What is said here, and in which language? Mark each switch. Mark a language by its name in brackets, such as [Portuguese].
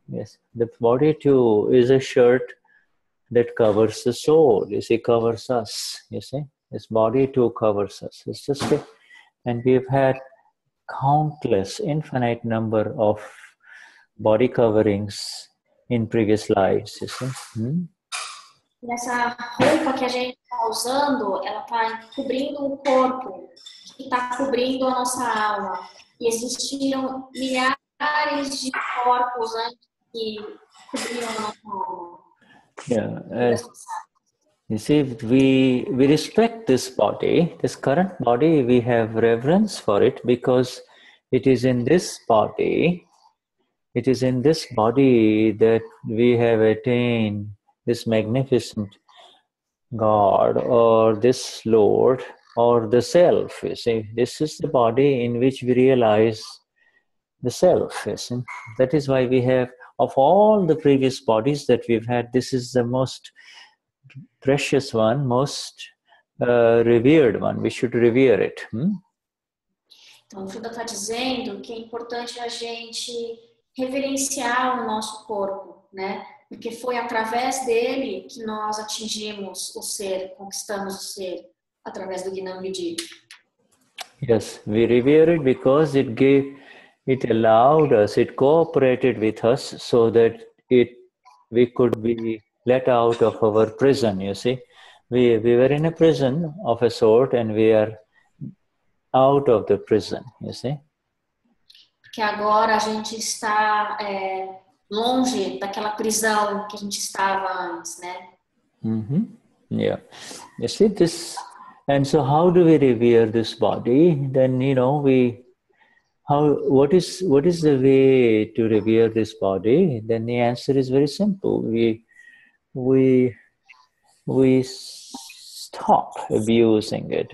[English] Yes, the body too is a shirt that covers the soul, you see, covers us, you see. This body too covers us. It's just and we've had countless, infinite number of body coverings in previous lives, you see. [Portuguese] Essa roupa que a gente está usando, ela está cobrindo o corpo, que está cobrindo a nossa alma. E existiram milhares de corpos antes que cobriam a nossa alma. [English] Yeah. You see, we respect this body, this current body, we have reverence for it, because it is in this body that we have attained this magnificent God, or this Lord, or the Self, you see. This is the body in which we realize the Self, you see. That is why we have, of all the previous bodies that we've had, this is the most precious one, most revered one. We should revere it. [Portuguese] Então, o Frida está dizendo que é importante a gente reverenciar o nosso corpo, né? Porque foi através dele que nós atingimos o ser, conquistamos o ser, através do Gnanvidhi. [English] Yes, we revere it because it gave, it allowed us, it cooperated with us so that it, we could be let out of our prison, you see. We were in a prison of a sort and we are out of the prison, you see. [Portuguese] Porque agora a gente está longe daquela prisão que a gente estava antes, né? [English] Mm-hmm. Yeah. You see this, and so how do we revere this body? Then, you know, we, how, what is the way to revere this body? Then the answer is very simple. We stop abusing it.